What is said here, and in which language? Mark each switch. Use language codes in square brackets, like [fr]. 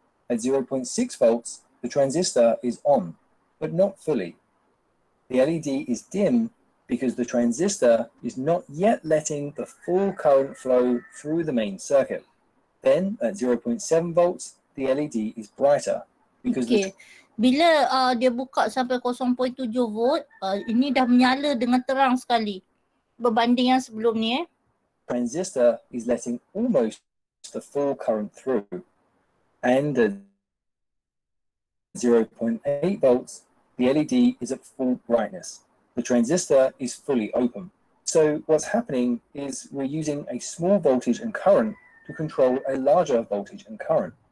[en] At 0.6 volts, the transistor is on, but not fully. The LED is dim because the transistor is not yet letting the full current flow through the main circuit. Then, at 0.7 volts, the LED is brighter because okay. [ms] Bila dia buka sampai 0.7 volt, ini dah menyala dengan terang sekali berbanding yang sebelum ni eh. [en] Transistor is letting almost the full current through, and at 0.8 volts, the LED is at full brightness. The transistor is fully open. So what's happening is we're using a small voltage and current to control a larger voltage and current.